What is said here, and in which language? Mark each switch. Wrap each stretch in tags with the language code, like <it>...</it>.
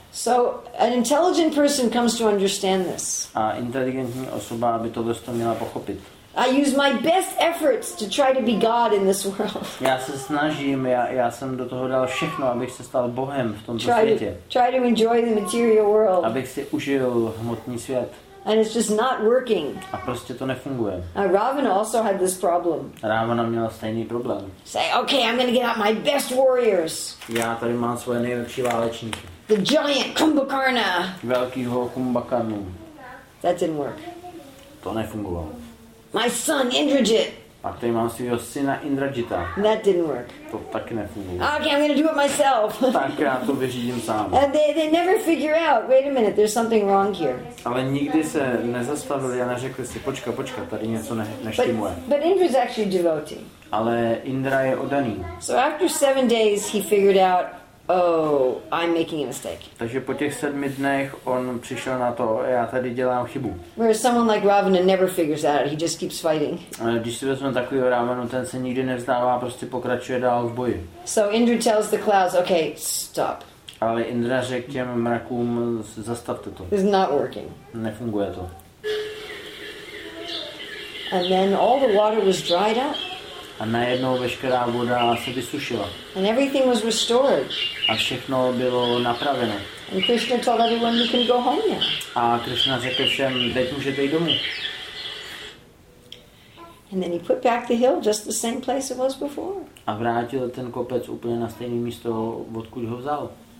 <en>So an intelligent person comes to understand this.</en> <cs>A inteligentní osoba by tohle to měla pochopit.</cs> <en>I use my best efforts to try to be God in this world.</en> <cs>Já se snažím, já jsem do toho dal všechno, abych se stal Bohem v tomto světě.</cs> <en>Try to enjoy the material world.</en> <cs>Abych si užil hmotný svět.</cs> <en>And it's just not working.</en> <cs>A prostě to nefunguje.</cs> <en>Ravana also had this problem.</en> <cs>Ravana měla stejný problém.</cs> <en>Say, okay, I'm going to get out my best warriors.</en> <cs>Já tady mám svoje nejlepší válečníky.</cs> <en>The giant Kumbhakarna.</en> <cs>Velkýho Kumbhakarnu.</cs> <en>That didn't work.</en> <cs>To nefungovalo.</cs> <en>My son Indrajit.</en> <cs>Pak tady mám svýho syna Indrajita.</cs> <en>That didn't work.</en> <cs>To taky nefungovalo.</cs> <en>Okay, I'm going to do it myself.</en> <cs>Tak já to vyřídím sám.</cs> <en>And they never figure out. Wait a minute, there's something wrong here.</en> <cs>Ale nikdy se nezastavili a neřekli si, počkej, tady něco neštimuje.</cs> <en>But Indra's actually devotee.</en> <cs>Ale Indra je oddaný.</cs> <en>So after 7 days he figured out, oh, I'm making a mistake.</en> <cs>Takže po těch 7 dnech on přišel na to, já tady dělám chybu.</cs> <en>Whereas someone like Ravana never figures that out, he just keeps fighting.</en> <cs>Když si vezmeme takovýho Ravanu, ten se nikdy nevzdává, prostě pokračuje dál v boji.</cs> <en>So Indra tells the clouds, okay, stop.</en> <cs>Ale Indra řekl těm mrakům, zastavte to.</cs> <en>It's not working.</en> <cs>Nefunguje to.</cs> <en>And then all the water was dried up.</en> <cs>A najednou veškerá voda se vysušila.</cs> <en>And everything was restored.</en> <cs>A všechno bylo napraveno.</cs> <en>And Krishna told everyone, you can go home now.</en> <cs>A Krishna řekl všem, teď můžete jít domů.</cs> <en>And then he put back the hill just the same place it was before.</en> <cs>A vrátil ten kopec úplně na stejné místo, odkud ho vzal.</cs>